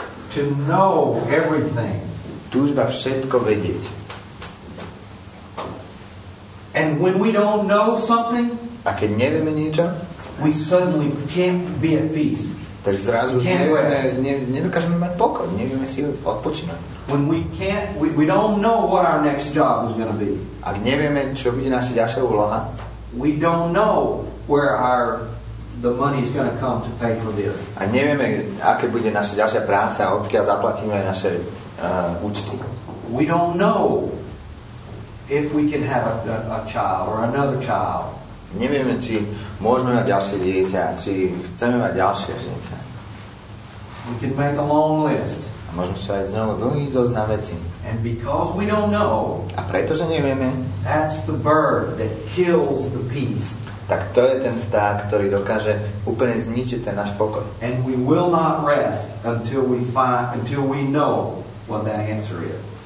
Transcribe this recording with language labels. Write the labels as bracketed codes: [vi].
[en] to know everything, [sk] túžba všetko vedieť. [en] And when we don't know something, [sk] a keď nevieme niečo, [en] we suddenly can't be at peace. [sk] Tak zrazu nedokážeme mať pokoj, nevieme si odpočinúť. [en] When we can't, we don't know what our next job is going to be. [sk] Ak nevieme, čo bude naša ďalšia úloha. [en] We don't know where the money is going to come to pay for this. [sk] A nevieme, aké bude naša ďalšia práca, odkiaľ zaplatíme naše účty. [en] We don't know if we can have a child or another child. [sk] Nevieme, či môžeme mať ďalšie dieťa, či chceme mať ďalšie dieťa. [en] We can make a long list. [sk] A môžeme sa aj znovu dlhý zoznam veci. [en] And because we don't know, [sk] a pretože nevieme, [en] that's the bird that kills the peace. [sk] Tak to je ten vták, ktorý dokáže úplne zničiť ten náš pokoj. [en] And we will not rest until we know what that answer is.